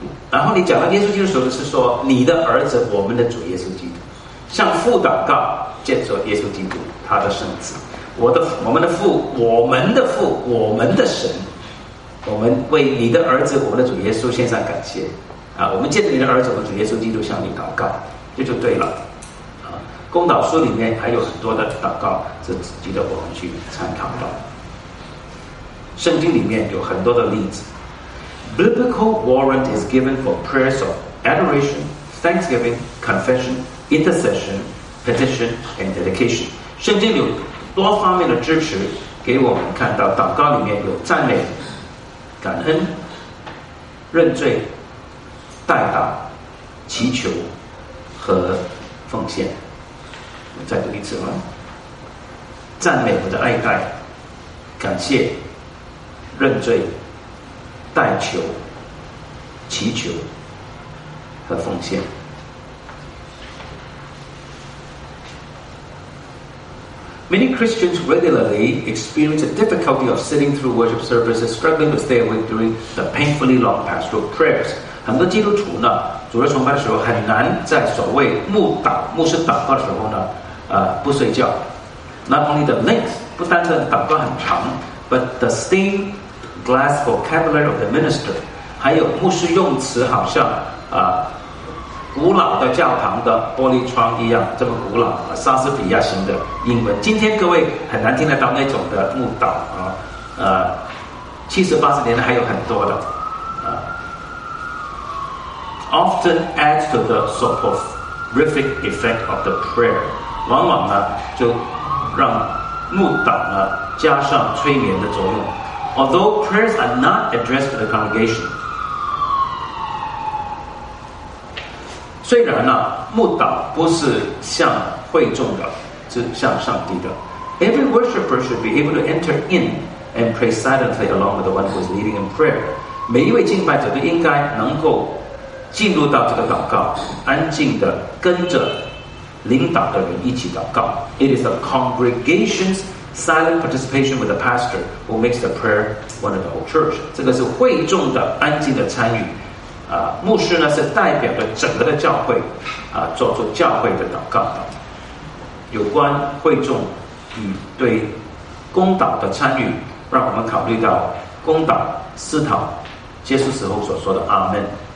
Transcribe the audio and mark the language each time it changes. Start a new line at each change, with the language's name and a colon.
Chinese: 然后你讲到耶稣基督的时候，是说你的儿子，我们的主耶稣基督，向父祷告，借着耶稣基督他的圣子，我们的父，我们的父，我们的神，我们为你的儿子，我们的主耶稣献上感谢啊！我们借着你的儿子，我们主耶稣基督向你祷告，这就对了。啊，公祷书里面还有很多的祷告是值得我们去参考的。圣经里面有很多的例子。
English: Biblical warrant is given for prayers of adoration, thanksgiving, confession, intercession, petition, and dedication.
Chinese: 圣经有多方面的支持，给我们看到祷告里面有赞美、感恩、认罪、代祷、祈求和奉献。我再读一次吧：赞美或者爱戴、感谢、认罪。代求、祈求和奉献。
English: Many Christians regularly experience a difficulty of sitting through worship services, struggling to stay awake during the painfully long pastoral prayers.
Chinese: 很多基督徒呢，主日崇拜的时候很难在所谓牧师祷告的时候呢，不睡觉。
English: Not only the length,
Chinese: 不单是祷告很长
English: ，but the steamglass vocabulary of the minister，
Chinese: 还有牧师用词好像啊，古老的教堂的玻璃窗一样，这么古老，莎士比亚型的英文。今天各位很难听得到那种的牧道啊，70-80年代还有很多的啊
English: ，often adds to the soporific effect of the prayer，
Chinese: 往往呢就让牧道呢加上催眠的作用。
English: Although prayers are not addressed to the congregation,
Chinese: 虽然呢，牧祷不是向会众的，是向上帝的。
English: Every worshipper should be able to enter in and pray silently along with the one who is leading in prayer.
Chinese: 每一位敬拜者都应该能够进入到这个祷告，安静地跟着领导的人一起祷告。
English: It is the congregation's silent participation with the pastor who makes the prayer one of the whole church.
Chinese: 这个是会众的安静的参与。牧师呢是代表着整个的教会，做出教会的祷告。有关会众与对公祷的参与，让我们考虑到公祷思讨结束时候所说的阿门。